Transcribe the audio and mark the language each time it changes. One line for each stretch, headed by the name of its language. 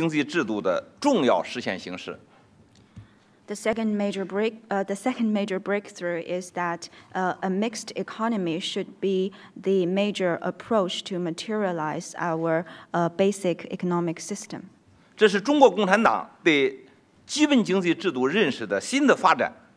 Chinese: 决定在经济体制上的第二个大的突破，就是提出混合所有制是基本经济制度的重要实现形式。
English: The second major breakthrough is that a mixed economy should be the major approach to materialize our basic economic system.
Chinese: 这是中国共产党对基本经济制度认识的新的发展。